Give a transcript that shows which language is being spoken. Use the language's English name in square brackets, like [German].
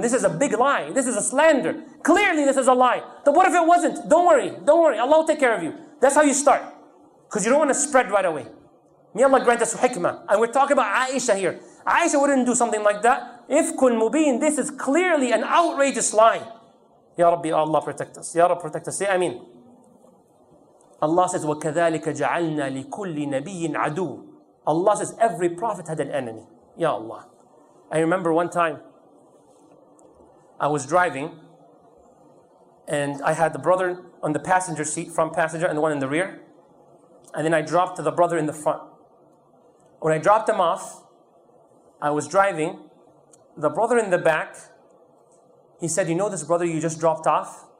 [English] This is a big lie. This is a slander. Clearly, this is a lie. But what if it wasn't? Don't worry. Don't worry. Allah will take care of you. That's how you start. Because you don't want to spread right away. May Allah grant us hikmah. And we're talking about Aisha here. Aisha wouldn't do something like that. [Arabic] إِفْكٌ مُبِينٌ. [English] This is clearly an outrageous lie. Ya Rabbi, Allah protect us. Ya Rabbi, protect us. Say, Ameen. Allah says, [Arabic] وَكَذَلِكَ جَعَلْنَا لِكُلِّ نَبِيٍّ عَدُوٍ. [English] Allah says, every prophet had an enemy. Ya Allah. I remember one time, I was driving, and I had the brother on the passenger seat, front passenger, and the one in the rear. And then I dropped the brother in the front. When I dropped him off, I was driving, the brother in the back, he said, you know this brother you just dropped off?